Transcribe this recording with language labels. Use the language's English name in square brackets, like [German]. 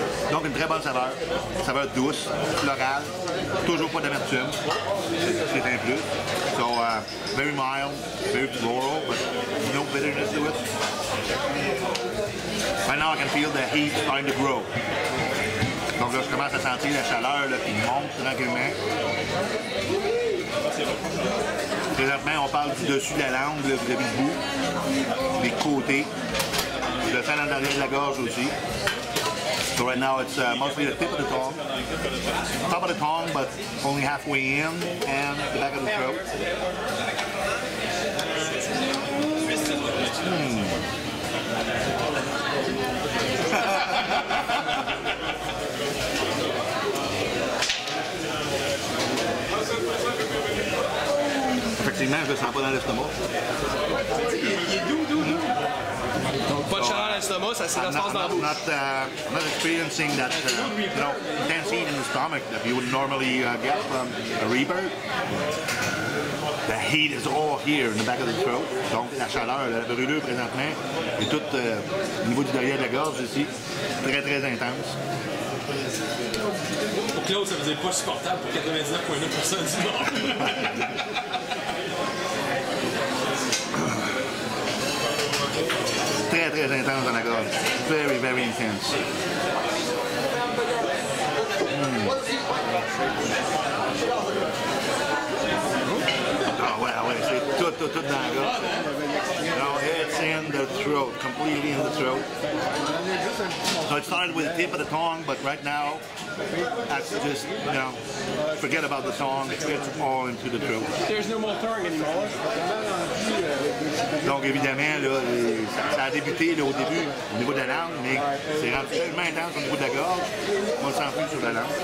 [French] Donc une très bonne saveur, saveur douce, florale, toujours pas d'amertume, c'est un plus. [English] So, very mild, very floral, but no bitterness to it. Right now I can feel the heat starting to grow. [French] Donc là je commence à sentir la chaleur là, qui monte tranquillement. Présentement, on parle du dessus de la langue, là, vis-à-vis du bout, les côtés, le fin dans l'arrière de la gorge aussi. [English] So right now, it's mostly the tip of the tongue. Top of the tongue, but only halfway in, and the back of the throat. [French] Effectivement, je le sens pas dans l'estomac. [English] I'm not experiencing that intensity in the stomach that you would normally get from a Reaper. The heat is all here in the back of the throat. [French] Donc la chaleur, la brûlure présentement, et tout au niveau du derrière de la gorge ici, très très intense. Pour Claude, ça ne faisait pas supportable pour 99,9% du monde. Très très intense dans la gorge. [English] Very, very intense. [French] Oh, ouais, c'est tout dans la gorge. [English] Now, it's in the throat, completely in the throat. So it started with the tip of the tongue, but right now, that's just, you know, forget about the tongue, it's all into the throat. There's no more tongue anymore. [French] Donc évidemment, là, ça a débuté là, au début, au niveau de la langue, mais c'est rendu tellement intense au niveau de la gorge, on s'en fout sur la langue.